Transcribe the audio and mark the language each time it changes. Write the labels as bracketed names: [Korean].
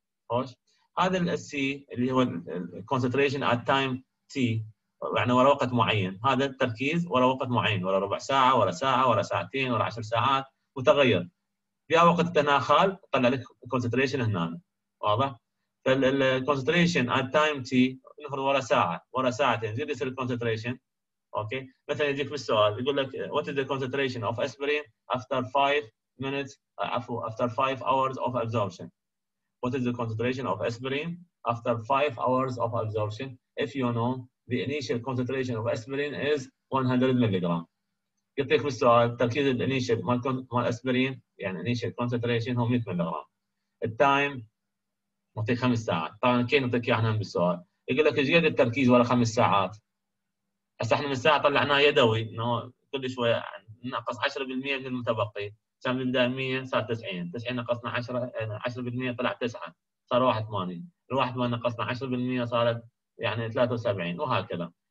[Arabic] خوش هذا السي اللي هو [English] الكونسنتريشن at time T, [Arabic] يعني ورا وقت معين، هذا التركيز ورا وقت معين، ورا ربع ساعه ورا ساعه ورا ساعتين ورا 10 ساعات وتغير. في وقت تناخال طلع لك الكونسنتريشن هنا، واضح؟ فال [English] concentration at time t [Arabic] نفرض ورا ساعة ورا ساعتين زيد يصير concentration. اوكي مثلا يجيك بالسؤال يقول لك [English] what is the concentration of aspirin after 5 minutes after 5 hours of absorption. What is the concentration of aspirin after 5 hours of absorption? If you know the initial concentration of aspirin is 100 milligram. [Arabic] يعطيك بالسؤال تركيز الانيشال مال اسبرين يعني [English] initial concentration [Arabic] هو 100 milligram. التايم نعطيك خمس ساعات، طبعا كي نعطيك اياها بالسؤال، يقول لك ايش قد التركيز ورا خمس ساعات؟ هسه احنا من الساعه طلعناه يدوي انه كل شويه ناقص 10% من المتبقي، كان من 100 صار 90، 90 نقصنا 10 10% طلع 9 صار 81، ال 81 نقصنا 10% صارت يعني 73 وهكذا.